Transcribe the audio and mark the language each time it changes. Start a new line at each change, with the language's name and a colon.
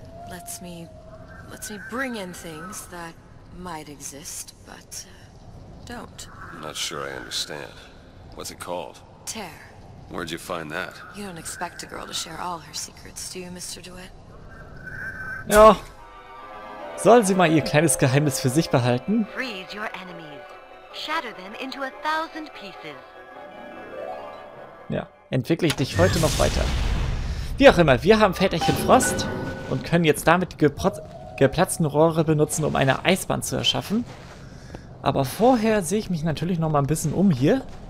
English: Lets me bring in things that might exist, but don't. I'm not sure I understand. What's it called? Tear. Where'd you find that? You don't expect a girl to share all her secrets, do you, Mr. DeWitt?
German: Ja. Soll sie mal ihr kleines Geheimnis für sich behalten?
English: Freeze your enemies. Shatter them into a thousand pieces.
German: Ja, entwickle ich dich heute noch weiter. Wie auch immer, wir haben Väterchen Frost und können jetzt damit geplatzten Rohre benutzen, um eine Eisbahn zu erschaffen. Aber vorher sehe ich mich natürlich noch mal ein bisschen um hier.